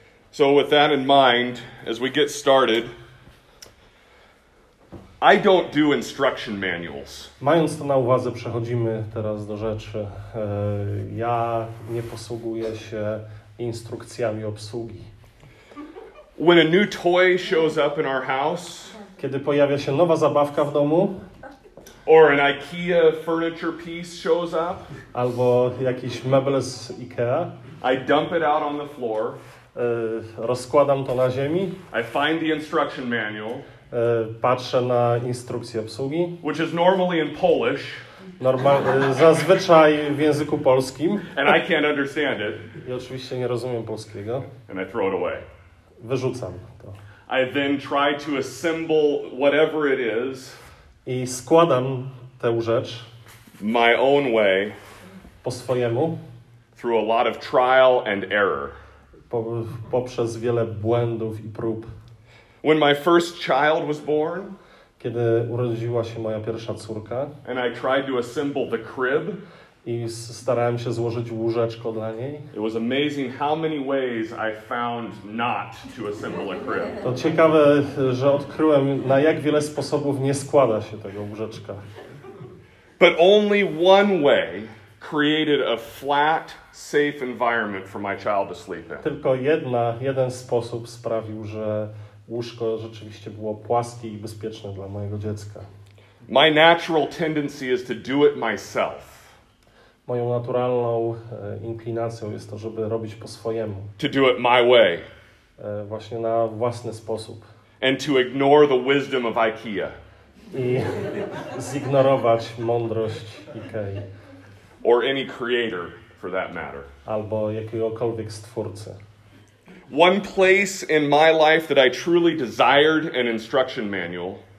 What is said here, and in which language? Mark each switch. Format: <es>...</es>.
<en>So with that in mind, as we get started, I don't do instruction manuals.</en> <pl>Mając to na uwadze, przechodzimy teraz do rzeczy. Ja nie posługuję się instrukcjami obsługi.</pl> <en>When a new toy shows up in our house,</en> <pl>kiedy pojawia się nowa zabawka w domu,</pl> <en>or an IKEA furniture piece shows up,</en> <pl>albo jakiś mebel z IKEA,</pl> <en>I dump it out on the floor,</en> <pl>rozkładam to na ziemi,</pl> <en>I find the instruction manual,</en> <pl>patrzę na instrukcję obsługi,</pl> <en>which is normally in Polish,</en> <pl>zazwyczaj w języku polskim,</pl> <en>and I can't understand it,</en> <pl>i oczywiście nie rozumiem polskiego,</pl> <en>and I throw it away.</en> <pl>Wyrzucam to.</pl> <en>I then try to assemble whatever it is.</en> <pl>I składam tę rzecz.</pl> <en>My own way.</en> <pl>Po swojemu.</pl> <en>Through a lot of trial and error.</en> <pl>Poprzez wiele błędów i prób.</pl> <en>When my first child was born.</en> <pl>Kiedy urodziła się moja pierwsza córka.</pl> <en>And I tried to assemble the crib.</en> <pl>I starałem się złożyć łóżeczko dla niej.</pl> <en>It was amazing how many ways I found not to assemble a crib.</en> <pl>To ciekawe, że odkryłem, na jak wiele sposobów nie składa się tego łóżeczka.</pl> <en>But only one way created a flat, safe environment for my child to sleep in.</en> <pl>Tylko jeden sposób sprawił, że łóżko rzeczywiście było płaskie i bezpieczne dla mojego dziecka.</pl> <en>My natural tendency is to do it myself.</en> <pl>Moją naturalną inklinacją jest to, żeby robić po swojemu.</pl> <en>To do it my way.</en> <pl>Właśnie na własny sposób.</pl> <en>And to ignore the wisdom of IKEA.</en> <pl>I zignorować mądrość IKEA.</pl> <en>Or any creator, for that matter.</en> <pl>Albo jakiegokolwiek stwórcy.</pl> <en>One place in my life that I truly desired an instruction manual.</en>